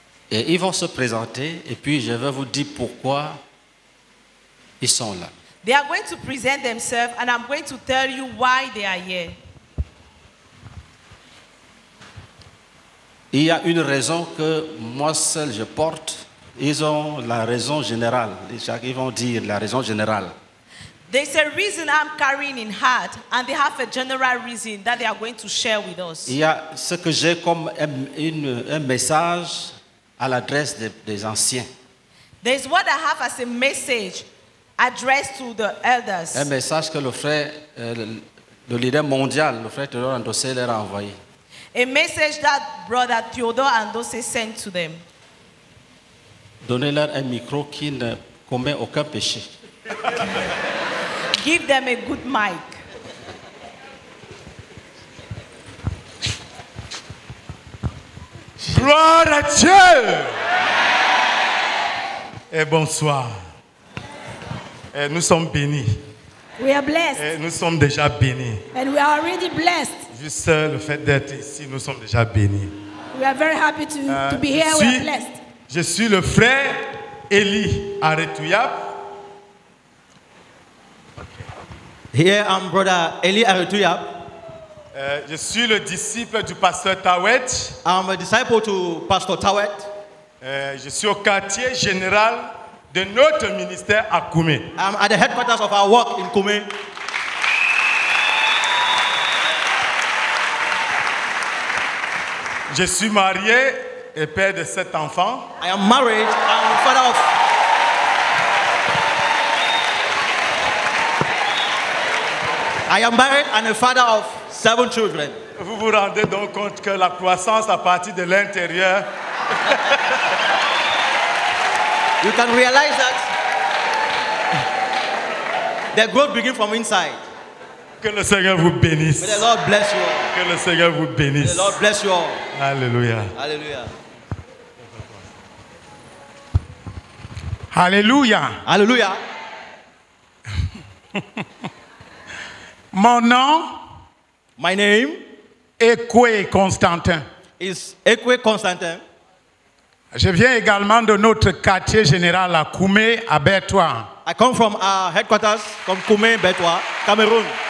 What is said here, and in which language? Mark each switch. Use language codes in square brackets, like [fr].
[fr] Et ils vont se présenter et puis je vais vous dire pourquoi ils sont là. [en] They are going to present themselves and I'm going to tell you why they are here. [fr] Il y a une raison que moi seul je porte. Ils ont la raison générale. Ils vont dire la raison générale. [en] There's a reason I'm carrying in heart and they have a general reason that they are going to share with us. [fr] Il y a ce que j'ai comme un message à l'adresse des anciens. [en] There's what I have as a message addressed to the elders. [fr] Un message que le frère, le leader mondial, le frère Theodore Andossé leur a envoyé. [en] A message that brother Theodore Andossé sent to them. [fr] Donnez-leur un micro qui ne commet aucun péché. [en] Give them a good mic. [fr] Gloire à Dieu! Et bonsoir. Et nous sommes bénis. [en] We are blessed. [fr] Et nous sommes déjà bénis. [en] And we are already blessed. [fr] Juste le fait d'être ici, nous sommes déjà bénis. [en] We are very happy to be here. We are blessed. [fr] Je suis le frère Elie Aretuyap. [en] Here I'm brother Elie Aretuyap. [fr] Je suis le disciple du pasteur Tawet. [en] I'm a disciple to Pastor Tawet. [fr] Je suis au quartier général de notre ministère à Koumé. [en] I'm at the headquarters of our work in Koumé. [fr] Je suis marié et père de 7 enfants. [en] I am married and father of. I am married and a father of 7 children. [fr] Vous vous rendez donc compte que la croissance à partir de l'intérieur. [en] You can realize that the growth begins from inside. [fr] Que le Seigneur vous bénisse. [en] May the Lord bless you all. [fr] Que le Seigneur vous bénisse. [en] May the Lord bless you all. Alléluia. Alléluia. Alléluia. Alléluia. [fr] Mon nom, [en] my name, Ekwe Constantin. Is Ekwe Constantin. [fr] Je viens également de notre quartier général à Koumé, à Bétoua. [en] I come from our headquarters from Koumé, Bétoua, Cameroon.